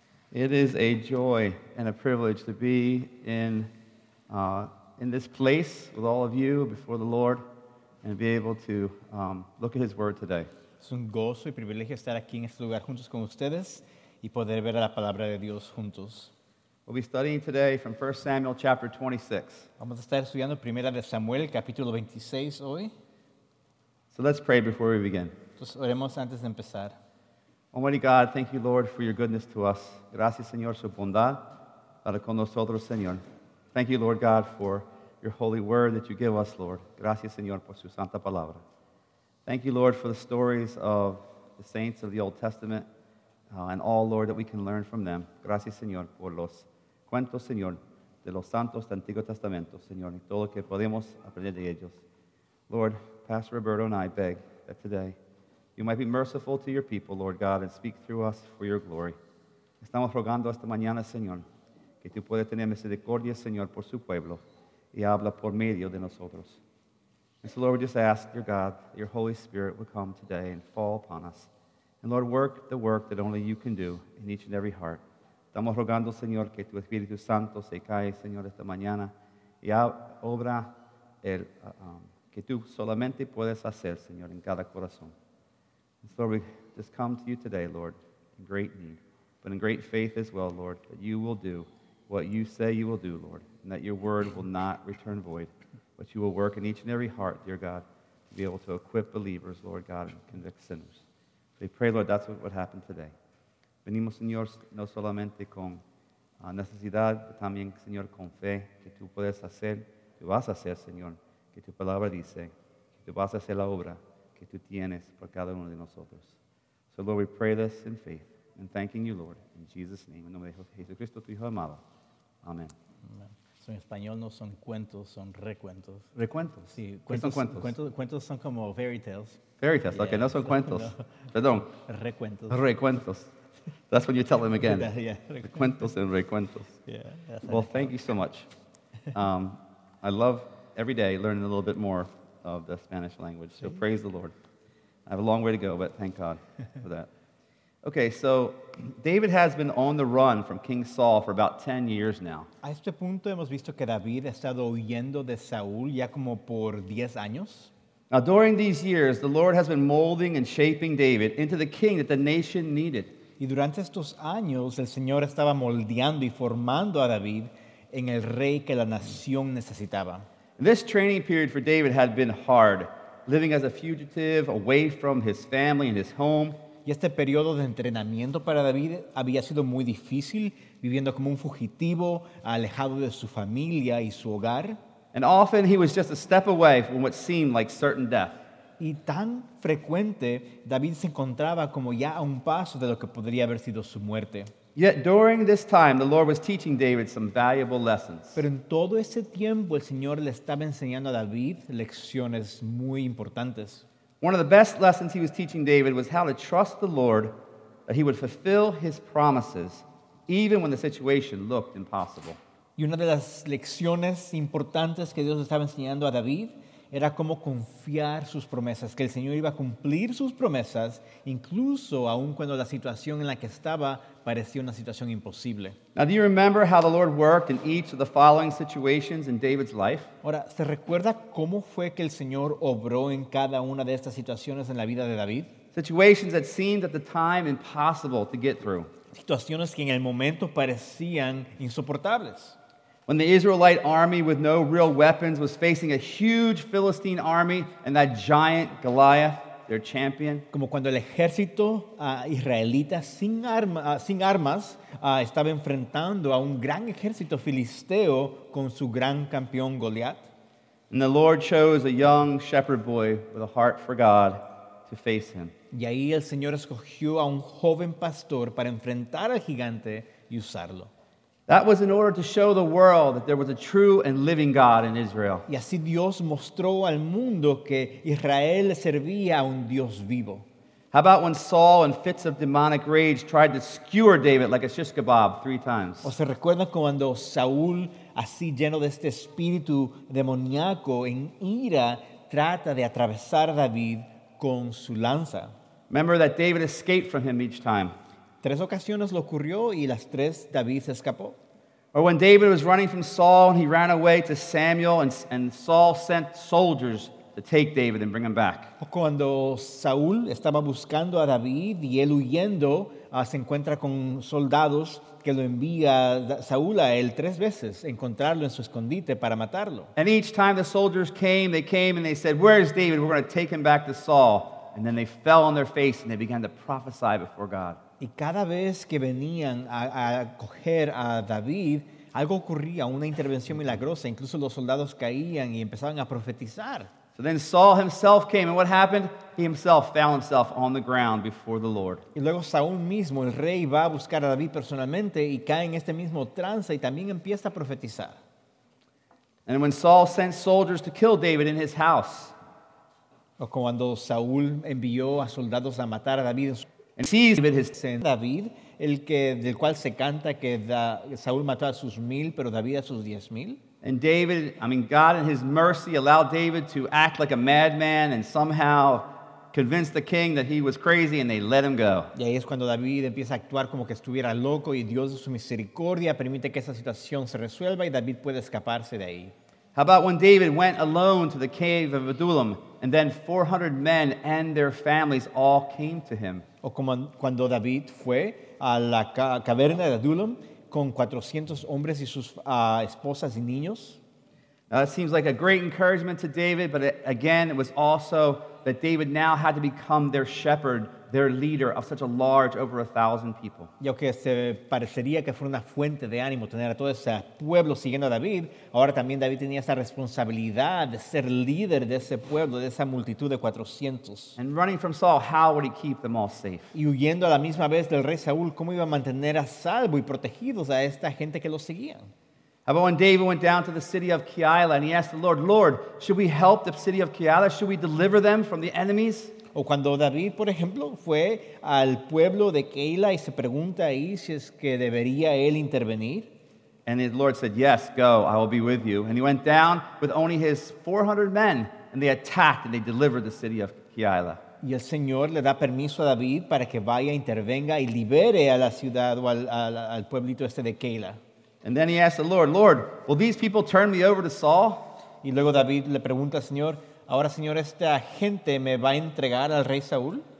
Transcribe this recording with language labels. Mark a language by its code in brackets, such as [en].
[en] It is a joy and a privilege to be in this place with all of you before the Lord and be able to look at His Word today. [es] Es un gozo y privilegio estar aquí en este lugar juntos con ustedes y poder ver la Palabra de Dios juntos. [en] We'll be studying today from 1 Samuel chapter 26. [es] Vamos a estar estudiando Primera de Samuel capítulo 26 hoy. [en] So let's pray before we begin. [es] Entonces oremos antes de empezar. [en] Almighty God, thank you, Lord, for your goodness to us. [es] Gracias, Señor, su bondad para con nosotros, Señor. [en] Thank you, Lord God, for your holy word that you give us, Lord. [es] Gracias, Señor, por su santa palabra. [en] Thank you, Lord, for the stories of the saints of the Old Testament and all, Lord, that we can learn from them. [es] Gracias, Señor, por los cuentos, Señor, de los santos del Antiguo Testamento, Señor, y todo lo que podemos aprender de ellos. [en] Lord, Pastor Roberto and I beg that today you might be merciful to your people, Lord God, and speak through us for your glory. [es] Estamos rogando esta mañana, Señor, que tú puedas tener misericordia, Señor, por su pueblo, y habla por medio de nosotros. [en] And so, Lord, we just ask, dear God, that your Holy Spirit would come today and fall upon us. And, Lord, work the work that only you can do in each and every heart. [es] Estamos rogando, Señor, que tu Espíritu Santo se cae, Señor, esta mañana, y obra el que tú solamente puedes hacer, Señor, en cada corazón. [en] And so, Lord, we just come to you today, Lord, in great need, but in great faith as well, Lord, that you will do what you say you will do, Lord, and that your word will not return void, but you will work in each and every heart, dear God, to be able to equip believers, Lord God, and convict sinners. So we pray, Lord, that's what would happen today. [es] Venimos, Señor, no solamente con necesidad, también, Señor, con fe, que tú puedes hacer, tú vas a hacer, Señor, que tu palabra dice, que tú vas a hacer la obra que tú tienes por cada uno de nosotros. [en] So, Lord, we pray this in faith. And thanking you, Lord, in Jesus' name. [es] En nombre de Jesucristo, tu Hijo amado. Amen. So en español no son cuentos, son recuentos. ¿Recuentos? Sí, cuentos, ¿son cuentos? Cuentos son como [en] fairy tales. Fairy tales, yeah. Okay, [es] no son cuentos. No. Perdón. Recuentos. [en] Recuentos. That's when you tell them again. Yeah. [es] Recuentos and recuentos. [en] Yeah. Well, thank you so much. I love every day learning a little bit more of the Spanish language. So praise the Lord. I have a long way to go, but thank God for that. Okay, so David has been on the run from King Saul for about 10 years now. [es] A este punto hemos visto que David ha estado huyendo de Saúl ya como por 10 años. [en] Now, during these years, the Lord has been molding and shaping David into the king that the nation needed. [es] Y durante estos años, el Señor estaba moldeando y formando a David en el rey que la nación necesitaba. [en] This training period for David had been hard, living as a fugitive away from his family and his home. [es] Y este periodo de entrenamiento para David había sido muy difícil, viviendo como un fugitivo, alejado de su familia y su hogar. [en] And often he was just a step away from what seemed like certain death. [es] Y tan frecuente, David se encontraba como ya a un paso de lo que podría haber sido su muerte. [en] Yet during this time, the Lord was teaching David some valuable lessons. [es] Pero en todo ese tiempo, el Señor le estaba enseñando a David lecciones muy importantes. [en] One of the best lessons he was teaching David was how to trust the Lord that he would fulfill his promises even when the situation looked impossible. [es] Y una de las lecciones importantes que Dios estaba enseñando a David era cómo confiar sus promesas, que el Señor iba a cumplir sus promesas incluso aun cuando la situación en la que estaba parecía una situación imposible. [en] Now, do you remember how the Lord worked in each of the following situations in David's life? [es] Ahora, ¿se recuerda cómo fue que el Señor obró en cada una de estas situaciones en la vida de David? [en] Situations that seemed at the time impossible to get through. [es] Situaciones que en el momento parecían insoportables. [en] When the Israelite army with no real weapons was facing a huge Philistine army and that giant Goliath, their champion. [es] Como cuando el ejército israelita sin armas estaba enfrentando a un gran ejército filisteo con su gran campeón Goliat. [en] And the Lord chose a young shepherd boy with a heart for God to face him. [es] Y ahí el Señor escogió a un joven pastor para enfrentar al gigante y usarlo. [en] That was in order to show the world that there was a true and living God in Israel. [es] Y así Dios mostró al mundo que Israel servía a un Dios vivo. [en] How about when Saul, in fits of demonic rage, tried to skewer David like a shish kebab 3 times? [es] ¿O se recuerda cuando Saúl, así lleno de este espíritu demoníaco, en ira, trata de atravesar a David con su lanza? [en] Remember that David escaped from him each time. [es] 3 ocasiones lo ocurrió y las 3 David se escapó. [en] Or when David was running from Saul and he ran away to Samuel and Saul sent soldiers to take David and bring him back. [es] O cuando Saúl estaba buscando a David y él huyendo, se encuentra con soldados que lo envía Saúl a él 3 veces, encontrarlo en su escondite para matarlo. [en] And each time the soldiers came, they came and they said, "Where is David? We're going to take him back to Saul." And then they fell on their face and they began to prophesy before God. [es] Y cada vez que venían a coger a David, algo ocurría, una intervención milagrosa. Incluso los soldados caían y empezaban a profetizar. [en] So then Saul himself came, and what happened? He himself found himself on the ground before the Lord. [es] Y luego Saúl mismo, el rey, va a buscar a David personalmente y cae en este mismo trance y también empieza a profetizar. [en] And when Saul sent soldiers to kill David in his house, [es] o cuando Saúl envió a soldados a matar a David, [en] and seized David, his [es] David, el que del cual se canta que Saúl mató a sus 1,000, pero David a sus 10,000. [en] And David, God in his mercy allowed David to act like a madman and somehow convince the king that he was crazy and they let him go. [es] Y ahí es cuando David empieza a actuar como que estuviera loco y Dios de su misericordia permite que esa situación se resuelva y David puede escaparse de ahí. [en] How about when David went alone to the cave of Adullam and then 400 men and their families all came to him? [es] O como cuando David fue a la caverna de Adullam con 400 hombres y sus esposas y niños. [en] Now, that seems like a great encouragement to David, but again, it was also that David now had to become their shepherd, their leader of such a large, over 1,000 people. [es] Y aunque se parecería que fue una fuente de ánimo tener a todo ese pueblo siguiendo a David, ahora también David tenía esa responsabilidad de ser líder de ese pueblo, de esa multitud de 400. [en] And running from Saul, how would he keep them all safe? [es] Y huyendo a la misma vez del rey Saúl, ¿cómo iba a mantener a salvo y protegidos a esta gente que los seguía? [en] How about when David went down to the city of Keilah and he asked the Lord, "Lord, should we help the city of Keilah? Should we deliver them from the enemies?" [es] O cuando David, por ejemplo, fue al pueblo de Keilah y se pregunta ahí si es que debería él intervenir. [en] And the Lord said, "Yes, go, I will be with you." And he went down with only his 400 men and they attacked and they delivered the city of Keilah. [es] Y el Señor le da permiso a David para que vaya, intervenga y libere a la ciudad o al pueblito este de Keilah. [en] And then he asked the Lord, "Lord, will these people turn me over to Saul?" [es] Y luego David le pregunta al Señor, "Ahora, Señor, ¿esta gente me va a entregar al rey Saúl?"